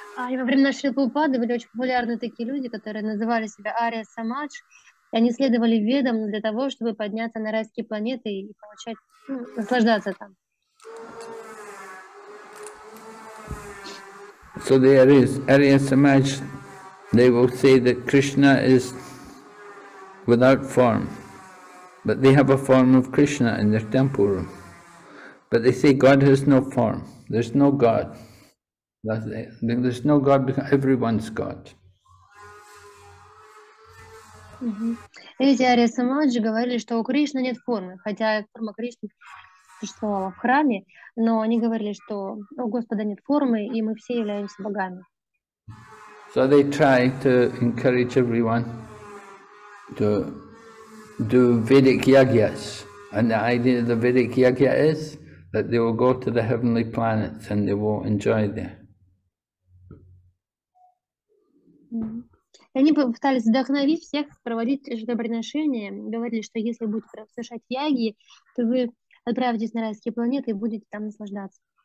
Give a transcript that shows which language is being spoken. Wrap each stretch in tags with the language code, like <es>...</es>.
<ru>И во времена Шри Прабхупады были очень популярны такие люди, которые называли себя Ария Самадж, и они следовали ведам для того, чтобы подняться на райские планеты и получать, ну, наслаждаться там.</ru> <en>So there is Ария Самадж, they will say that Krishna is without form, but they have a form of Krishna in their temple room. But they say God has no form, there's no God. There's no God, everyone's God.</en> <ru>Эти Ария Самаджи говорили, что у Кришны нет формы, хотя форма Кришны существовала в храме, но они говорили, что у Господа нет формы, и мы все являемся богами.</ru> <en>So they try to encourage everyone to do Vedic Yagyas. And the idea of the Vedic Yagya is that they will go to the heavenly planets and they will enjoy there.</en> <ru>И они пытались вдохновить всех проводить жертвоприношения, говорили, что если будете совершать яги, то вы отправитесь на райские планеты и будете там наслаждаться.</ru>